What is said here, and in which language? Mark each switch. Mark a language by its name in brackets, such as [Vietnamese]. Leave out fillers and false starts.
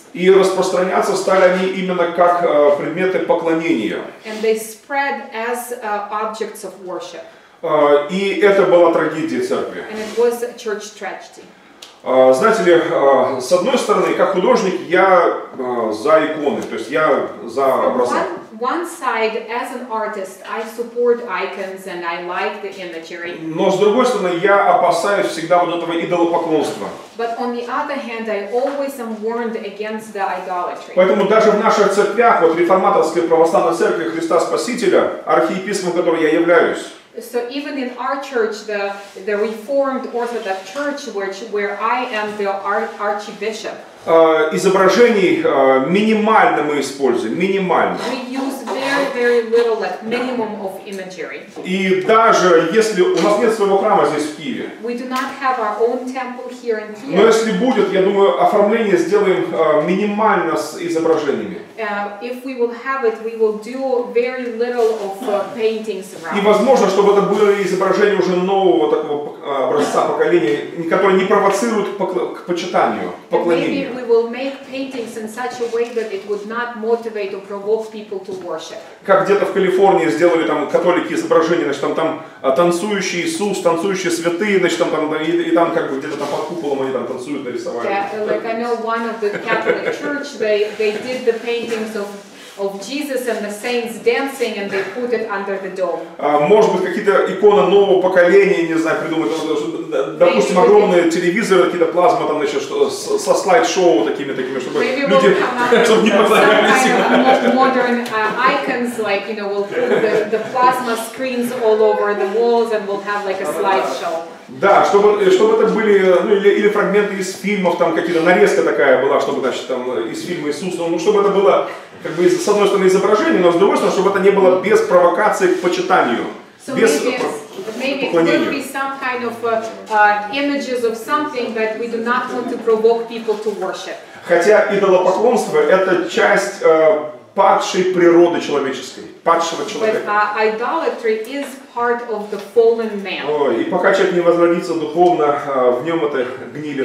[Russian] И распространяться стали они именно как предметы поклонения. [English] And they spread as objects of worship. [Russian] И это была трагедия церкви. [English] And it was a church tragedy. [Russian] Знаете ли, с одной стороны, как художник, я за иконы, то есть я за образы. [English] One side, as an artist, I support icons and I like the imagery. [Russian] Но с другой стороны, я опасаюсь всегда вот этого идолопоклонства. [English] But on the other hand, I always am warned against the idolatry. [Russian] Поэтому даже в наших церквях, вот реформаторской православной церкви Христа Спасителя, архиепископом которой я являюсь. [English] So even in our church, the Reformed Orthodox Church, where I am the archbishop. [Russian] Изображений минимально мы используем, минимально. [English] We use very, very little, like minimum of imagery. [Russian] И даже если у нас нет своего храма здесь в Киеве. [English] We do not have our own temple here in Kiev. [Russian] Но если будет, я думаю, оформление сделаем минимально с изображениями. [English] If we will have it, we will do very little of paintings around. [Russian] И возможно, чтобы это были изображения уже нового такого образца поколения, которые не провоцируют к почитанию, поклонению. [English] Maybe we will make paintings in such a way that it would not motivate or provoke people to worship. [Russian] Как где-то в Калифорнии сделали там католики изображения, значит, там танцующий Иисус, танцующие святые, значит, там как бы где-то там под куполом они там танцуют, нарисовали. [English] Yeah, like I know one of the Catholic Church, they did the paintings of Jesus and the saints dancing, and they put it under the dome. [Russian] Может быть, какие-то иконы нового поколения, не знаю, придумать. Допустим, огромные телевизоры, какие-то плазмы там еще, что со слайд-шоу такими, чтобы [English] maybe [Russian] люди, [English] we'll [Russian] чтобы не поклонялись. [English] Modern icons, like, you know, we'll put the plasma screens all over the walls, and we'll have like a slideshow. [Russian] Да, чтобы это были, ну, или фрагменты из фильмов, там какие-то нарезка такая была, чтобы, значит, там из фильма Иисус, ну, чтобы это было, как бы, с одной стороны, изображение, но с другой стороны, чтобы это не было без провокации к почитанию. [English] So [Russian] без [English] maybe it will be some kind of images of something, but we do not want to provoke people to worship. [Russian] Хотя идолопоклонство — это часть падшей природы человеческой, падшего человека. [English] But idolatry is part of the fallen man. [Russian] И пока человек не возродится духовно, в нем это гниль,